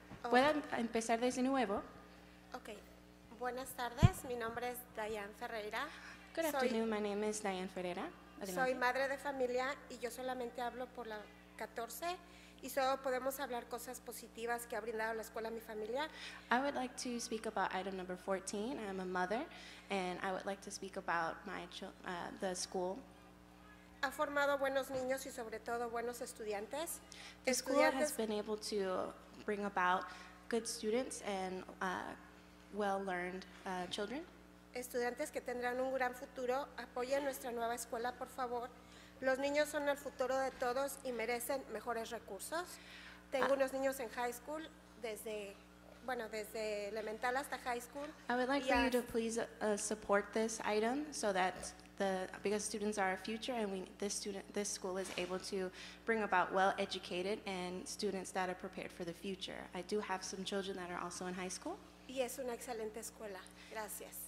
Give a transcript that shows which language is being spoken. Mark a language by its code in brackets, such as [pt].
[es] Okay. ¿Puede empezar desde nuevo? Ok. Buenas tardes. Mi nombre es Dayan Ferreira. [en] Good afternoon. My name is Dayan Ferreira. [es] Soy madre de familia y yo solamente hablo por la 14 y solo podemos hablar cosas positivas que ha brindado la escuela a mi familia. [en] I would like to speak about item number 14. I am a mother and I would like to speak about my the school. [es] Ha formado buenos niños y sobre todo buenos estudiantes. [en] The school has been able to bring about good students and well-learned children. [es] Estudiantes que tendrán un gran futuro, apoyen nuestra nueva escuela, por favor. Los niños son el futuro de todos y merecen mejores recursos. Tengo unos niños en high school desde, bueno, desde elemental hasta high school. [en] I would like for you to please support this item so that because students are our future and this school is able to bring about well-educated and students that are prepared for the future. I do have some children that are also in high school. [es] Y es una excelente escuela. Gracias.